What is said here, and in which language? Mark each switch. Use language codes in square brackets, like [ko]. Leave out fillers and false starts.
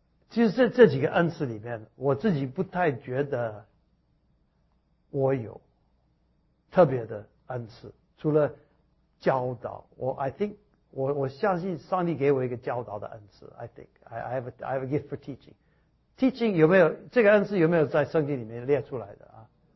[zh] 其实这几个恩赐里面，我自己不太觉得我有特别的恩赐，除了教导。我相信上帝给我一个教导的恩赐。 [en] I think I have a gift for teaching. [zh] Teaching 有没有这个恩赐？有没有在圣经里面列出来的啊？